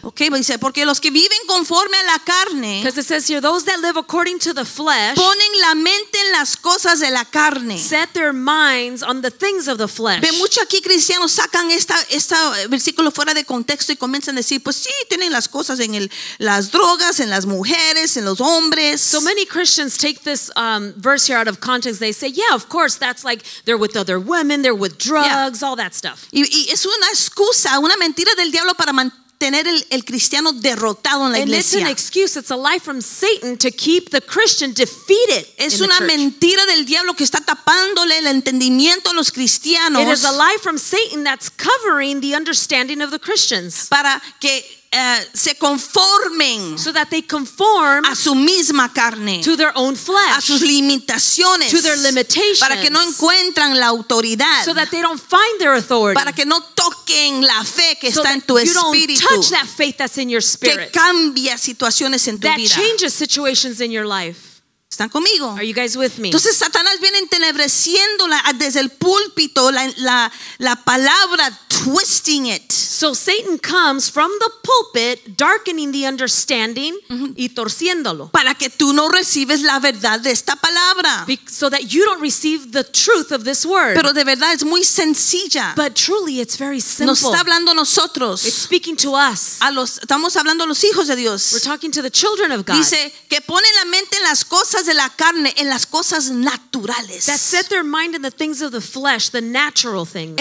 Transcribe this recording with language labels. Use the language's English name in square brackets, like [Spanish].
[Spanish] Okay, pues dice, porque los que viven conforme a la carne, [English] because it says here, those that live according to the flesh, [Spanish] ponen la mente en las cosas de la carne, [English] set their minds on the things of the flesh. [Spanish] Ve mucho aquí cristianos sacan esta versículo fuera de contexto y comienzan a decir, pues sí, tienen las cosas en las drogas, en las mujeres, en los hombres. [English] So many Christians take this verse here out of context. They say, yeah, of course, that's like they're with other women, they're with drugs, yeah, all that stuff. [Spanish] Y es una excusa, una mentira del diablo para mantener el cristiano derrotado en la iglesia. [English] And it's an excuse, it's a lie from Satan to keep the Christian defeated. [Spanish] Es una mentira del diablo que está tapándole el entendimiento a los cristianos. [English] It is a lie from Satan that's covering the understanding of the Christians. [Spanish] Para que se conformen, [English] so that they conform, [Spanish] a su misma carne, [English] to their own flesh, [Spanish] a sus limitaciones, [English] to their limitations, [Spanish] para que no encuentran la autoridad, [English] so that they don't find their authority, [Spanish] para que no toquen la fe que [English] so [Spanish] está en tu espíritu, [English] you don't touch that faith that's in your spirit, [Spanish] que cambia situaciones en tu [English] that [Spanish] vida, [English] that changes situations in your life. [Spanish] ¿Están conmigo? [English] Are you guys with me? [Spanish] Entonces Satanás viene entenebreciendo desde el púlpito la palabra, [English] twisting it. So Satan comes from the pulpit, darkening the understanding, mm-hmm, [Spanish] y torciéndolo. Para que tú no recibes la verdad de esta palabra. [English] So that you don't receive the truth of this word. [Spanish] Pero de verdad es muy sencilla. [English] But truly it's very simple. [Spanish] Nos está hablando nosotros. [English] It's speaking to us. [Spanish] Estamos hablando a los hijos de Dios. [English] We're talking to the children of God. [Spanish] Dice que ponen la mente en las cosas de la carne, en las cosas naturales. [English] That set their mind in the things of the flesh, the natural things.